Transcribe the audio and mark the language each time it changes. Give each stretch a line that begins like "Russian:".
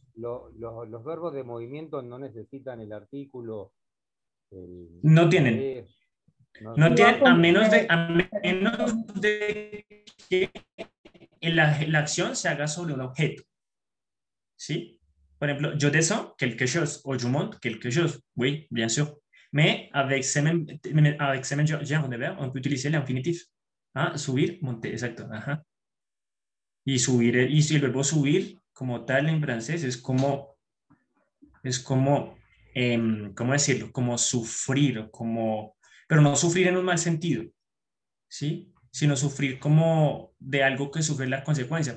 Spanish: Los verbos de movimiento no necesitan el artículo. No tienen. A menos de que la acción se haga sobre un objeto. ¿Sí? Por ejemplo, yo deseo
French: quelque chose. O je monte quelque chose. Oui, bien sûr. Mais avec ce même genre de verbo, on peut utiliser l'infinitif.
Spanish: Ah, subir, monter. Exacto. Ajá. Y subir, y si el verbo subir. Como tal en francés, ¿cómo decirlo? Como sufrir, pero no sufrir en un mal sentido, ¿sí? Sino sufrir como de algo que sufre las consecuencias.